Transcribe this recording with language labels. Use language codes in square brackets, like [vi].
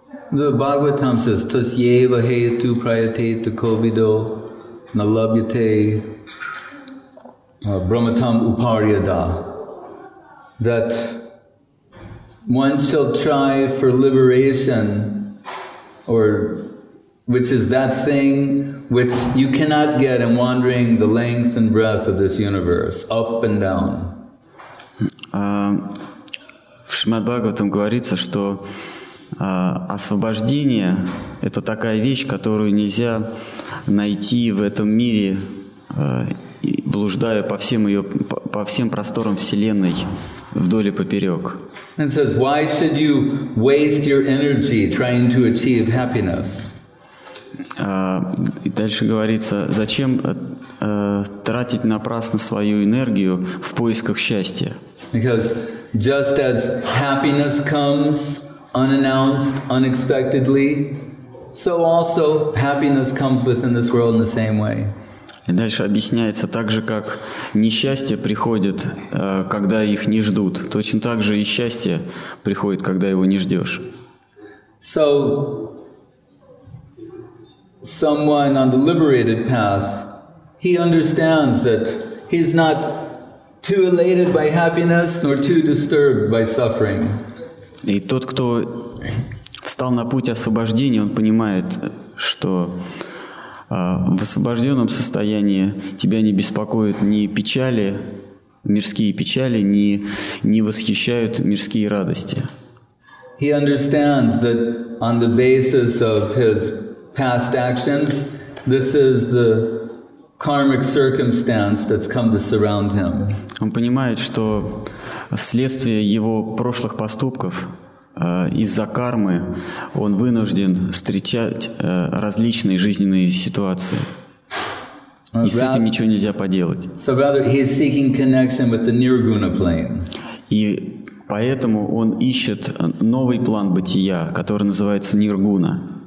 [en] The Bhagavatam says, [sa] Tasyeva hetu prayate tu kovido nalabhyate brahmatam upariyada. [en] That one shall try for liberation, or which is that thing which you cannot get in wandering the length and breadth of this universe, up and down. [ru] В Шримад-Бхагаватам говорится, что освобождение – это такая вещь, которую нельзя найти в этом мире, блуждая по всем просторам Вселенной вдоль и поперек. [en] And it says, why should you waste your energy trying to achieve happiness? [ru] И дальше говорится, зачем тратить напрасно свою энергию в поисках счастья? [en] Because just as happiness comes unannounced, unexpectedly, so also happiness comes within this world in the same way. [ru] И дальше объясняется, так же, как несчастье приходит, когда их не ждут, точно так же и счастье приходит, когда его не ждешь. [en] So, someone on the liberated path, he understands that he's not too elated by happiness, nor too disturbed by suffering. [ru] И тот, кто встал на путь освобождения, он понимает, что в освобожденном состоянии тебя не беспокоят ни печали, мирские печали, ни не восхищают мирские радости. [en] He understands that on the basis of his past actions, this is the karmic circumstance that's come to surround him. [ru] Он понимает, что вследствие его прошлых поступков, из-за кармы, он вынужден встречать различные жизненные ситуации. И с этим ничего нельзя поделать. [en] So rather, he is seeking connection with the nirguna plane. [ru] И поэтому он ищет новый план бытия, который называется ниргуна.